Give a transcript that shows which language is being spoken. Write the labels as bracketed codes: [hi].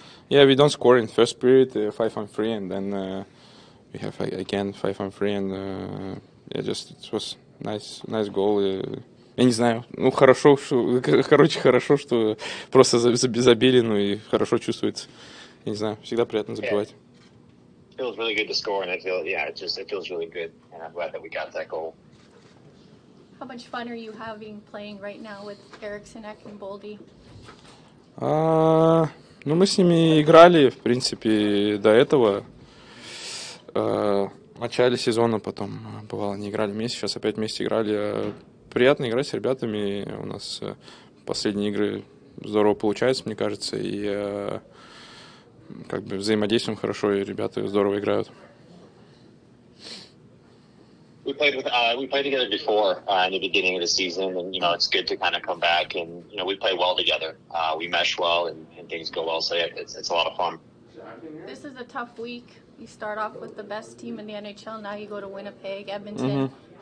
[en] We don't score in first period, 5-on-3, and then we have again 5-on-3, and it was nice goal. [ru] Я не знаю. Ну хорошо, хорошо, что просто забили, ну и хорошо чувствуется. Я не знаю, всегда приятно забивать. [en] Yeah. Feels really good to score, and it feels really good, and I'm glad that we got that goal. How much fun are you having playing right now with Eriksson, Ek, and Boldy? [ru] Ну мы с ними играли, в принципе, до этого. В начале сезона потом бывало не играли вместе, сейчас опять вместе играли. Приятно играть с ребятами. У нас последние игры здорово получаются, мне кажется, и как бы взаимодействуем хорошо, и ребята здорово играют. [en] We played together before in the beginning of the season, and you know it's good to kind of come back, and you know we play well together. We mesh well, and things go well, so it's a lot of fun. This is a tough week. You start off with the best team in the NHL, now you go to Winnipeg, Edmonton. Mm-hmm.